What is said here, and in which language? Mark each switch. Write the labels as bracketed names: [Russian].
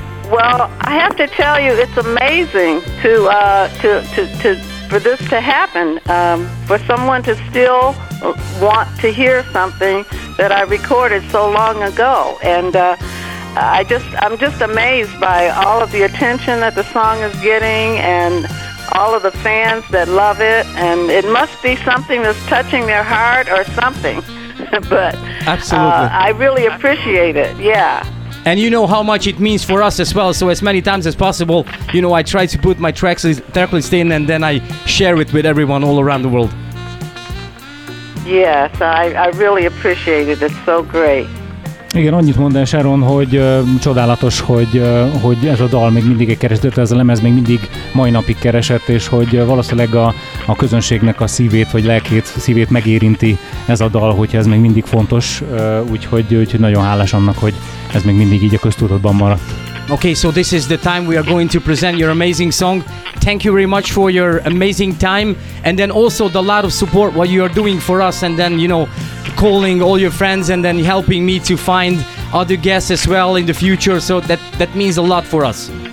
[English] Well, I have to tell you, it's amazing to for this to happen, for someone to still want to hear something that I recorded so long ago, and I'm just amazed by all of the attention that the song is getting, and all of the fans that love it, and it must be something that's touching their heart or something. But absolutely, I really appreciate it. Yeah. And you know how much it means for us as well, so as many times as possible, you know, I try to put my tracklist in, and then I share it with everyone all around the world. Yes, I really appreciate it. It's so great. [Hungarian] Igen, annyit mondani Sharon, hogy csodálatos, hogy ez a dal még mindig egy keresett, ez a lemez még mindig mai napig keresett, és hogy valószínűleg a közönségnek a szívét vagy lelkét, szívét megérinti ez a dal, hogyha ez még mindig fontos, úgyhogy nagyon hálás annak, hogy ez még mindig így a köztudatban maradt. [English] Okay, so this is the time we are going to present your amazing song. Thank you very much for your amazing time, and then also the lot of support what you are doing for us, and then, you know, calling all your friends and then helping me to find other guests as well in the future, so that means a lot for us.